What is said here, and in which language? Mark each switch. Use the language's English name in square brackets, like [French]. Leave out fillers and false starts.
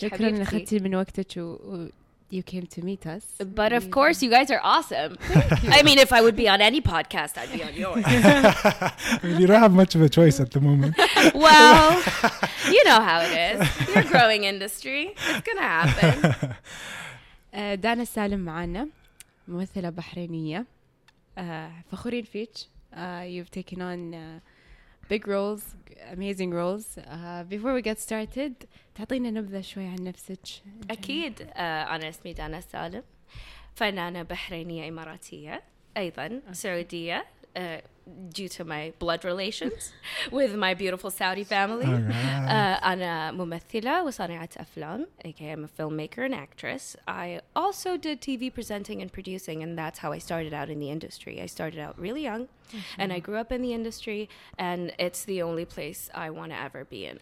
[Arabic] شكرا إن أخذتي من وقتك [English] you came to meet us. But of course, you guys are awesome. I mean, if I would be on any podcast, I'd be on yours. I mean, you don't have much of a choice at the moment. Well, you know how it is. You're a growing industry. It's gonna happen. [Arabic] دانا سالم معنا، ممثلة بحرينية. فخورين فيك. [English] You've taken on big roles, amazing roles. Before we get started, [Arabic] تعطينا نبذة شوي عن نفسك. أكيد. أنا اسمي دانا سالم، فنانة بحرينية إماراتية أيضا. [English] سعودية due to my blood relations with my beautiful Saudi family. [Arabic] أنا ممثلة وصانعة أفلام، [English] okay, I'm a filmmaker and actress. I also did TV presenting and producing, and that's how I started out in the industry. I started out really young, and I grew up in the industry, and it's the only place I want to ever be in.